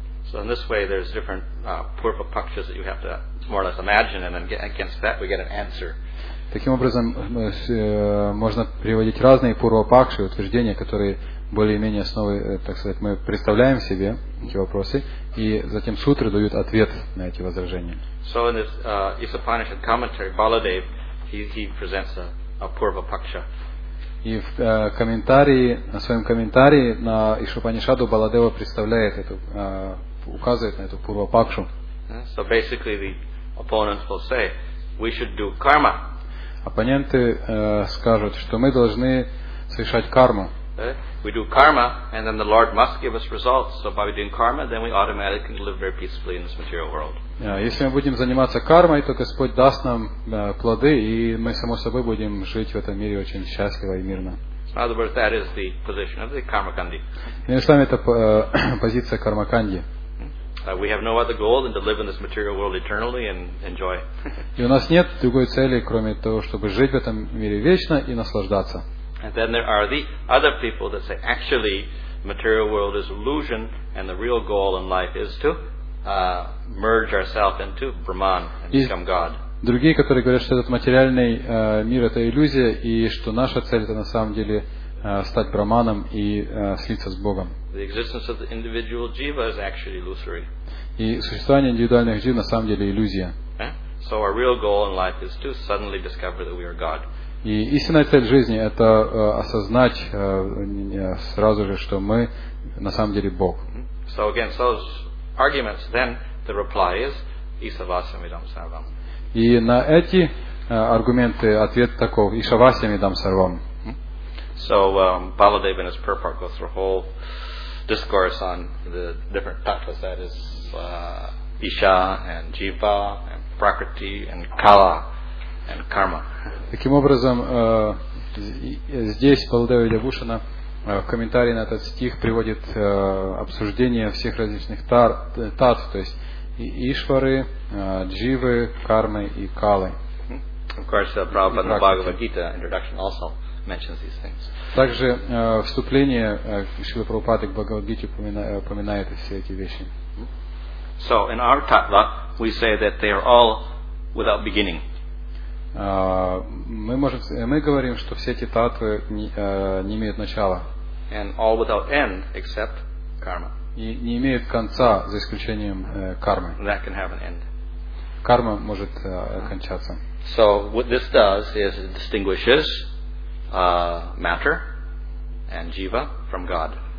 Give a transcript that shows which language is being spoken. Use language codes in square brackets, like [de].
[en] So in this way, there's different purva pakshas that you have to more or less imagine, and then against that we get an answer. [ru] Таким образом, можно приводить разные пурва пакши, утверждения, которые более-менее основы, так сказать, мы представляем себе эти вопросы, и затем сутры дают ответ на эти возражения. [en] So in this Isopanishad commentary, Baladev, he presents a purva paksha. [ru] И в комментарии, на своем комментарии на Ишупанишаду Баладева представляет эту, указывает на эту пурва пакшу. [en] So basically the opponents will say, we should do karma. [ru] Оппоненты скажут, что мы должны совершать карму. [en] We do karma, and then the Lord must give us results. So by doing karma, then we automatically can live very peacefully in this material world. [ru] Если мы будем заниматься кармой, то Господь даст нам плоды, и мы само собой будем жить в этом мире очень счастливо и мирно. [en] In other words, that is the position of the Karmakandi. [ru] Иными словами, это позиция Кармаканди. [en] We have no other goal than to live in this material world eternally and enjoy. [ru] И у нас нет другой цели, кроме того, чтобы жить в этом мире вечно и наслаждаться. [en] And then there are the other people that say, actually, material world is illusion, and the real goal in life is to merge ourselves into Brahman and become God. [ru] Другие, которые говорят, что этот материальный мир это иллюзия, и что наша цель это на самом деле стать Браманом и слиться с Богом. [en] The existence of the individual jiva is actually illusory. [ru] И существование индивидуальных жив на самом деле иллюзия. [en] So our real goal in life is to suddenly discover that we are God. [ru] И истинная цель жизни – это осознать сразу же, что мы на самом деле Бог. [en] So against those arguments, then the reply is Isavasyam Idam Sarvam. [ru] И на эти аргументы ответ таков: Исавасьям Идам Сарвам. [en] So Baladev in his purport goes through a whole discourse on the different tattvas, that is Isha and Jiva and Prakriti and Kala. And karma. [ru] Таким образом, здесь Баладева Дебушина в комментарии на этот стих приводит обсуждение всех различных татв, то есть Ишвары, Дживы, Кармы и Калы. [en] Of course, Prabhupada Bhagavad Gita introduction also mentions these things. [ru] Также вступление Шрилы Прабхупады к Бхагавад Гите упоминает все эти вещи. [en] So in our tattva we say that they are all without beginning. [ru] Мы говорим, что все эти татвы не имеют начала. [en] And all without end, except karma. [ru] И не имеют конца, за исключением кармы. [en] That can have an end. [ru] Карма может кончаться. [en] So what this does is it distinguishes matter and jiva from God.